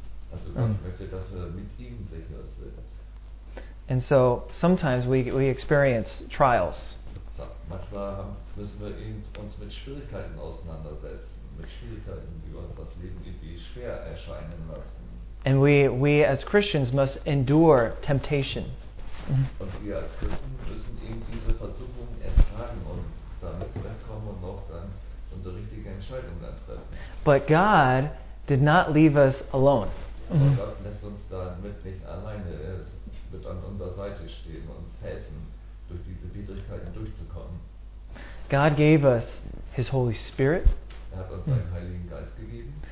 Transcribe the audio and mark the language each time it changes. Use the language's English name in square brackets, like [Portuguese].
[German] Also Gott möchte, dass wir mit ihm sicher sind. [English] And so sometimes we experience trials. [German] So, manchmal müssen wir uns mit Schwierigkeiten auseinandersetzen, mit Schwierigkeiten, die uns das Leben irgendwie schwer erscheinen lassen. [English] And we as Christians must endure temptation. [German] Und wir als Christen müssen eben diese Versuchung ertragen und damit zurechtkommen und auch dann unsere richtige Entscheidung dann treffen. [English] But God did not leave us alone. [German] Aber Gott lässt uns damit nicht alleine. Er wird an unserer Seite stehen und uns helfen, durch diese Widrigkeiten durchzukommen. [English] God gave us his Holy Spirit. [German] Er hat uns seinen Heiligen Geist gegeben.